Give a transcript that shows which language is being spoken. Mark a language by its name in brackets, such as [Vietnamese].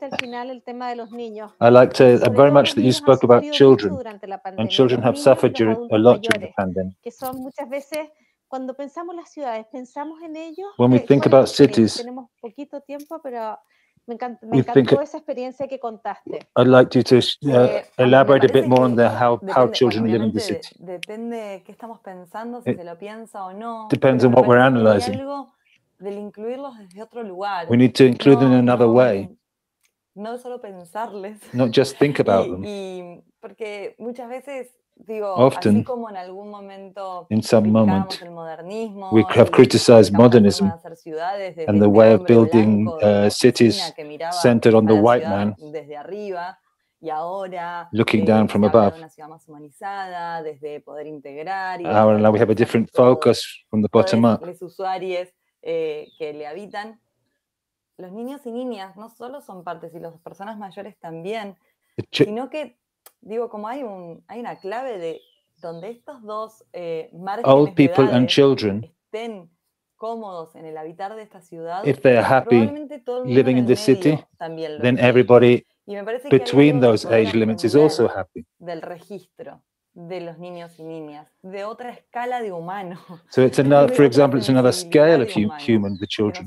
[English] I liked very much that you spoke about children, and children have suffered a lot during the pandemic. [Spanish] Cuando pensamos las ciudades, pensamos en ellos. [English] When we think about cities, [Spanish] tenemos poquito tiempo, pero me encantó esa experiencia que contaste. [English] I'd like you to elaborate a bit more on how children live in the city. [Spanish] Depende qué estamos pensando, si se lo piensa o no. [English] Depends on what we're analyzing. [Spanish] Del incluirlos desde otro lugar. [English] We need to include them in another way. [Spanish] No solo pensarles. [English] Not just think about them. [Spanish] Y porque muchas veces. [English] Often, [Spanish] así como en algún momento, [English] in some moment, [Spanish] el modernismo, [English] we have criticized modernism and the way of building cities centered on the white man, [Spanish] desde arriba, y ahora, [English] looking down from above. [Spanish] Desde poder integrar, [English] ahora, now we have a different focus from the bottom up. [Spanish] Los usuarios, que le habitan. Los niños y niñas no solo son partes, y las personas mayores también, sino que digo, como hay una clave de donde estos dos [English] old people and children [Spanish] estén cómodos en el habitar de esta ciudad, [English] if they are happy living in the city, then everybody between those age limits is also happy. [Spanish] Del registro, de los niños y niñas, de otra escala de humano. [English] So it's another, for example, it's another scale of human, the children.